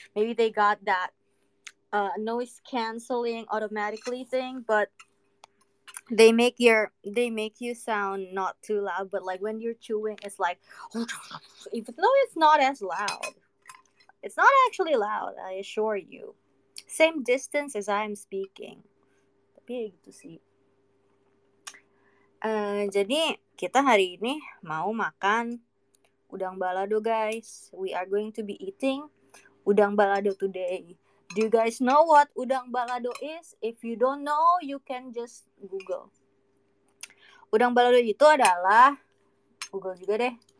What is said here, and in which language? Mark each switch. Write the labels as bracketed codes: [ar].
[en] Maybe they got that noise canceling automatically thing, but they make you sound not too loud, but like when you're chewing, it's like, even though it's not as loud, it's not actually loud, I assure you. Same distance as I'm speaking. [id] Tapi gitu sih. Jadi kita hari ini mau makan udang balado, guys. [en] We are going to be eating udang balado today. Do you guys know what udang balado is? If you don't know, you can just Google. [id] Udang balado itu adalah, Google juga deh.